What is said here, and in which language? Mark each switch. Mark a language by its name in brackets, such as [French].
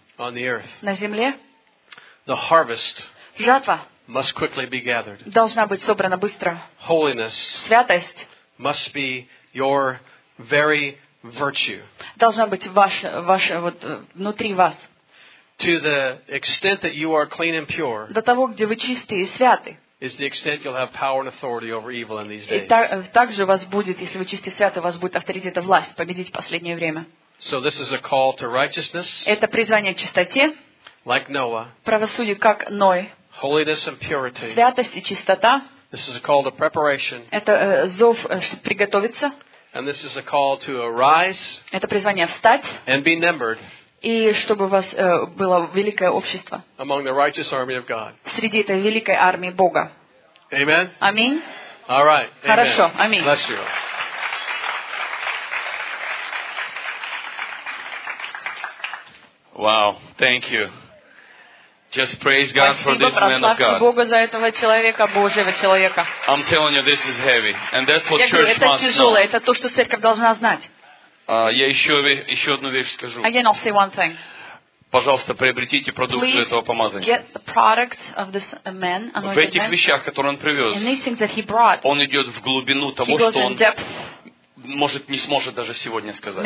[English] On the earth. [Russian] На земле. [English] The harvest. [Russian] Жатва. [English] Must quickly be gathered. [Russian] Должна быть собрана быстро. [English] Holiness. [Russian] Святость. [English] Must be your very virtue. [Russian] Должна быть ваша вот внутри вас. [English] To the extent that you are clean and pure. [Russian] До того, где вы чистые и святы. [English] Is the extent you'll have power and authority over evil in these days. [Russian] И также у вас будет, если вы чистые и святы, у вас будет авторитет и власть победить в последнее время. [English] So this is a call to righteousness. [Russian] Это призвание к чистоте. [English] Like Noah. [Russian] Правосудие, как Ной. [English] Holiness and purity. [Russian] Святость и чистота. [English] This is a call to preparation. [Russian] Это зов, чтобы приготовиться. [English] And this is a call to arise. [Russian] Это призвание встать. [English] And be numbered. [Russian] И чтобы у вас было великое общество. [English] Among the righteous army of God. [Russian] Среди этой великой армии Бога. [English] Amen. [Russian] Аминь. [English] All right. Amen. [Russian] Хорошо. Аминь. [English] Bless you. Wow. Thank you. Just praise God for this man of God. [Russian] Бога за этого человека, Божьего человека. [English] I'm telling you, this is heavy, and that's what church must know. [Russian] Это тяжело, это то, что церковь должна знать. Я еще одну вещь скажу. [English] Again, I'll say one thing. [Russian] Пожалуйста, приобретите продукцию этого помазания. [English] Please get the product of this man. [Russian] В этих вещах, которые он привез. [English] In these things that he brought. [Russian] Он идет в глубину того, что он может не сможет даже сегодня сказать.